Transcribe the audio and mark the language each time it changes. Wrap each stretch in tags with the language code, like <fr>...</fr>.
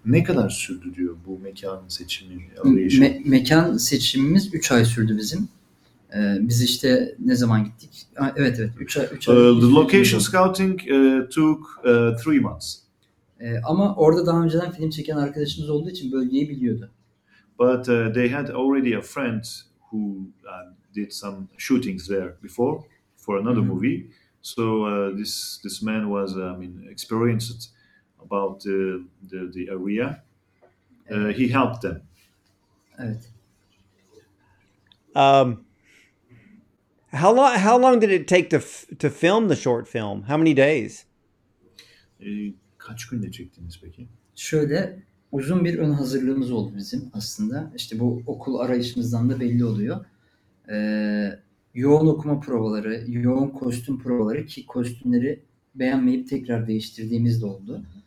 <tr>Ne kadar sürdü diyor bu mekan seçimi arayışı? Mekan seçimimiz 3 ay sürdü bizim. Biz işte ne zaman gittik? Evet 3 ay.</tr> <en>The location scouting took 3 months.</en> <tr>Ama orada daha önceden film çeken arkadaşımız olduğu için bölgeyi biliyordu.</tr> <en>But they had already a friend who did some shootings there before for another hmm. movie. So this man was I mean experienced about the area. He helped them.</en> <tr>Evet.</tr> <en>How long did it take to film the short film? How many days?</en> <tr>Kaç günde çektiniz peki? Şöyle uzun bir ön hazırlığımız oldu bizim aslında. İşte bu okul arayışımızdan da belli oluyor. Yoğun okuma provaları, yoğun kostüm provaları ki kostümleri beğenmeyip tekrar değiştirdiğimiz de oldu.</tr>